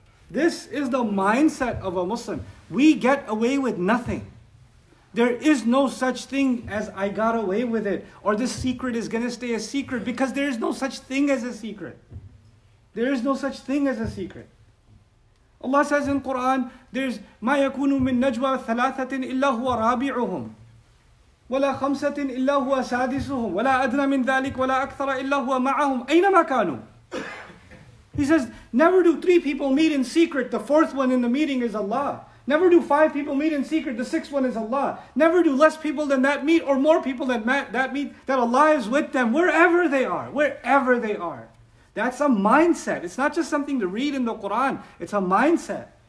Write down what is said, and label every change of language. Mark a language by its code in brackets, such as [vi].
[en] This is the mindset of a Muslim. We get away with nothing. There is no such thing as I got away with it, or this secret is going to stay a secret, because there is no such thing as a secret. There is no such thing as a secret. Allah says in Quran, there's [ar] ما يكون من نجوى ثلاثة إلا هو رابعهم ولا خمسة إلا هو سادسهم ولا أدنى من ذلك ولا أكثر إلا هو معهم أينما كانوا. [en] He says, never do three people meet in secret. The fourth one in the meeting is Allah. Never do five people meet in secret. The sixth one is Allah. Never do less people than that meet or more people than that meet that Allah is with them wherever they are. Wherever they are. That's a mindset. It's not just something to read in the Quran. It's a mindset.